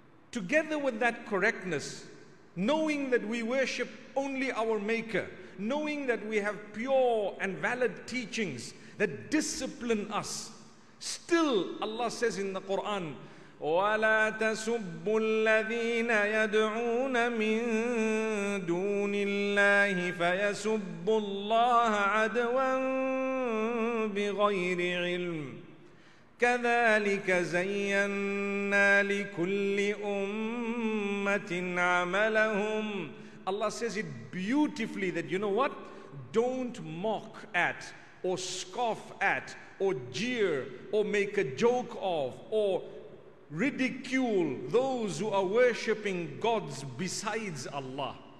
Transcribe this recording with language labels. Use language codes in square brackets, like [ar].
[en] Together with that correctness, knowing that we worship only our Maker, knowing that we have pure and valid teachings that discipline us, still Allah says in the Quran, [ar] وَلَا تَسُبُّوا الَّذِينَ يَدْعُونَ مِن دُونِ اللَّهِ الله فيسبوا الله عدوا بغير علم كذلك زينا لكل أمة عملهم. [en] Allah says it beautifully that, you know what? Don't mock at or scoff at or jeer or make a joke of or ridicule those who are worshipping gods besides Allah.